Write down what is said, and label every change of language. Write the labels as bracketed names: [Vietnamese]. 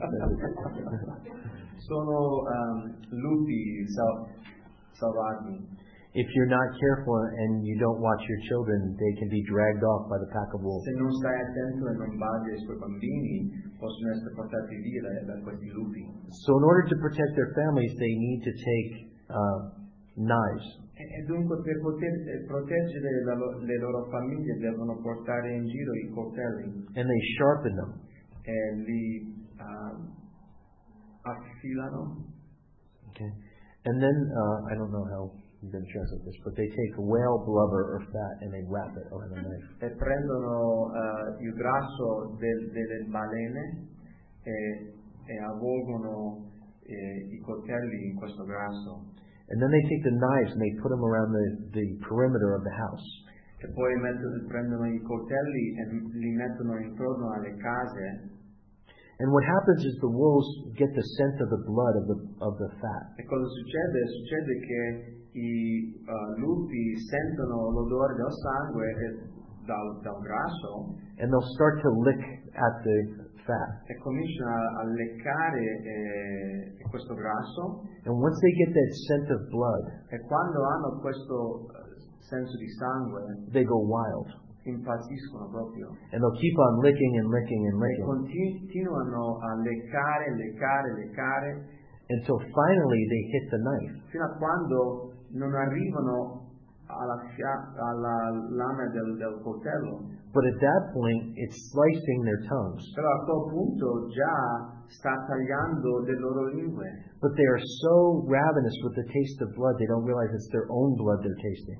[Italian] Sono lupi selvaggi. [English] If you're not careful and you don't watch your children, they can be dragged off by the pack of wolves. [Italian] Se non stai attento e non badi ai suoi bambini, possono essere portati via da questi lupi. [English] So in order to protect their families, they need to take knives. [Italian] E dunque per poter proteggere le loro famiglie devono portare in giro I coltelli. [English] And they sharpen them. [Italian] E li affilano. [English] Okay. And then I don't know how. You've been stressed with this, but they take whale blubber or fat and they wrap it around the knife. [Italian] E prendono il grasso delle balene e avvolgono I coltelli in questo grasso. [English] And then they take the knives and they put them around the perimeter of the house. [Italian] E poi prendono I coltelli e li mettono intorno alle case. [English] And what happens is the wolves get the scent of the blood of the fat. [Italian] E cosa succede? Succede che I lupi sentono l'odore del sangue dal grasso. [English] And they'll start to lick at the fat. [Italian] E cominciano a leccare questo grasso. [English] And once they get that scent of blood, [Italian] e quando hanno questo senso di sangue, [English] they go wild. [Italian] Impazziscono proprio. [English] And they'll keep on licking and licking and licking. [Italian] E continuano a leccare, leccare, leccare. [English] Until finally they hit the knife. [Italian] Fino a quando non arrivano alla lama del coltello. [English] But at that point it's slicing their tongues. [Italian] Però a quel punto già sta tagliando le loro lingue. [English] But they are so ravenous with the taste of blood they don't realize it's their own blood they're tasting.